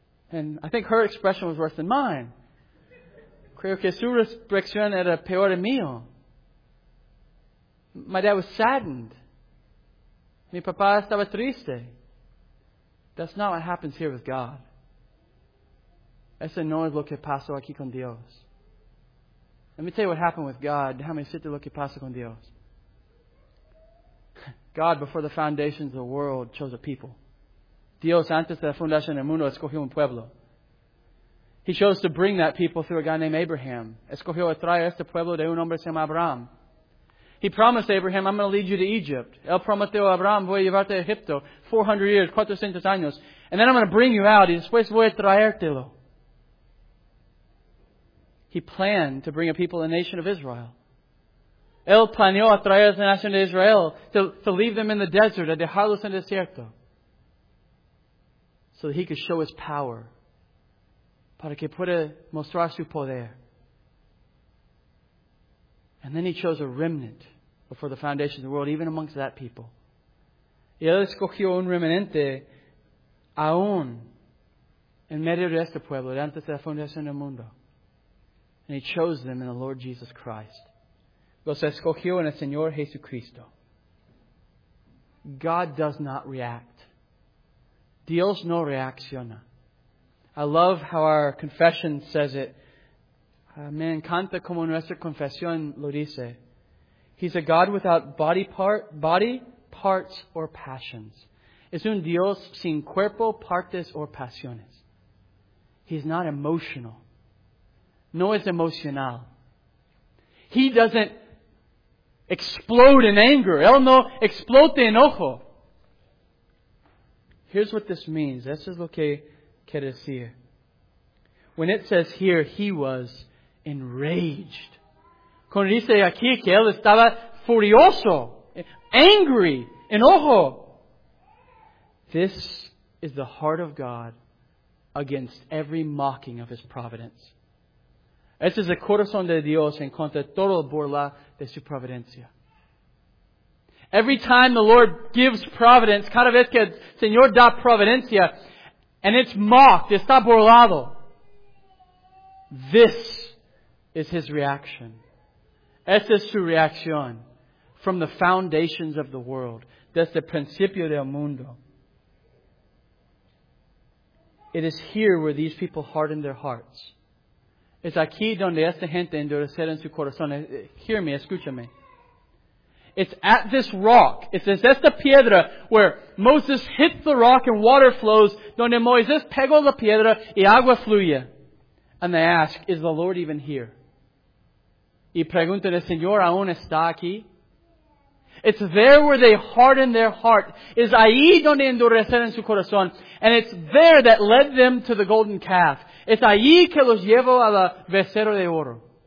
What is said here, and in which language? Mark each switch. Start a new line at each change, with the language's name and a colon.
English: And I think her expression was worse than mine.
Spanish: Creo que su expresión era peor de mío.
English: My dad was saddened.
Spanish: Mi papá estaba triste.
English: That's not what happens here with God.
Spanish: Ese no es lo que pasó aquí con Dios.
English: Let me tell you what happened with God.
Spanish: Déjame decirte lo que pasó con Dios.
English: God, before the foundations of the world, chose a people.
Spanish: Dios, antes de la fundación del mundo, escogió un pueblo.
English: He chose to bring that people through a guy named Abraham.
Spanish: Escogió a traer este pueblo de un hombre que se llama Abraham.
English: He promised Abraham, I'm going to lead you to Egypt.
Spanish: Él prometió a Abraham, voy a llevarte a Egipto.
English: 400 years, 400 años. And then I'm going to bring you out.
Spanish: Y después voy a traértelo.
English: He planned to bring a people, a nation of Israel.
Spanish: Él planeó a traer a la nación de Israel
English: to leave them in the desert,
Spanish: a dejarlos en el desierto.
English: So that he could show his power.
Spanish: Para que pueda mostrar su poder.
English: And then he chose a remnant before the foundation of the world, even amongst that people.
Spanish: Y él escogió un remanente aún en medio de este pueblo, de antes de la fundación del mundo.
English: And he chose them in the Lord Jesus Christ.
Spanish: Los escogió en el Señor Jesucristo.
English: God does not react.
Spanish: Dios no reacciona.
English: I love how our confession says it.
Spanish: Me encanta como nuestra confesión lo dice.
English: He's a God without body parts, or passions.
Spanish: Es un Dios sin cuerpo, partes, or pasiones.
English: He's not emotional.
Spanish: No es emocional.
English: He doesn't explode in anger.
Spanish: Él no explode de enojo.
English: Here's what this means.
Spanish: Esto es lo que quiere decir.
English: When it says here, he was enraged.
Spanish: Cuando dice aquí que él estaba furioso, angry, enojo.
English: This is the heart of God against every mocking of his providence.
Spanish: Este es el corazón de Dios en contra de toda burla de su providencia.
English: Every time the Lord gives providence,
Spanish: cada vez que el Señor da providencia,
English: and it's mocked,
Spanish: está burlado.
English: This is his reaction.
Spanish: Esta es su reacción.
English: From the foundations of the world.
Spanish: Desde el principio del mundo.
English: It is here where these people harden their hearts.
Spanish: Es aquí donde esta gente endurecieron su corazón.
English: Hear me,
Spanish: escúchame.
English: It's at this rock. It's
Spanish: esta piedra
English: where Moses hit the rock and water flows.
Spanish: Donde Moisés pegó la piedra y agua fluye.
English: And they ask, is the Lord even here?
Spanish: Y preguntan, ¿el Señor aún está aquí?
English: It's there where they harden their heart.
Spanish: Es ahí donde endurecen su corazón.
English: And it's there that led them to the golden calf.
Spanish: Es ahí que los llevó a la becerro de oro.